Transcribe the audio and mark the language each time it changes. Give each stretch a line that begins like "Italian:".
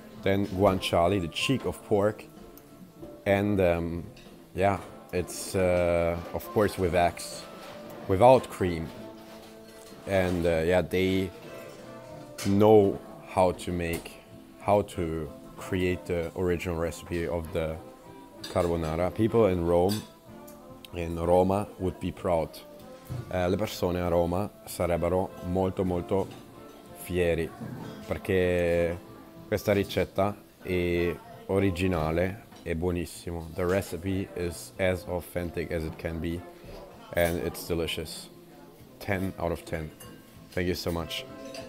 English: Then guanciale, the cheek of pork, and yeah, it's of course with eggs, without cream, and yeah, they know how to create the original recipe of the carbonara. People in Rome, in Roma, would be proud.
Italian: Le persone a Roma sarebbero molto molto fieri perché questa ricetta è originale e buonissimo.
English: The recipe is as authentic as it can be, and it's delicious. 10 out of 10. Thank you so much.